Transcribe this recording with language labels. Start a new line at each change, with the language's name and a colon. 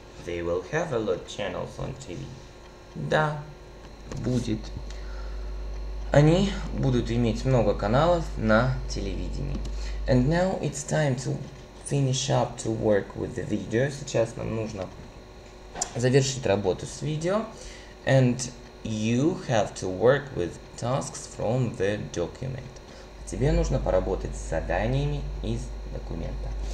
English: They will have a lot of channels on TV.
Russian: Да, будет. Они будут иметь много каналов на телевидении.
English: And now it's time to finish up to work with the video.
Russian: Сейчас нам нужно завершить работу с видео.
English: And you have to work with tasks from the document.
Russian: Тебе нужно поработать с заданиями из документа.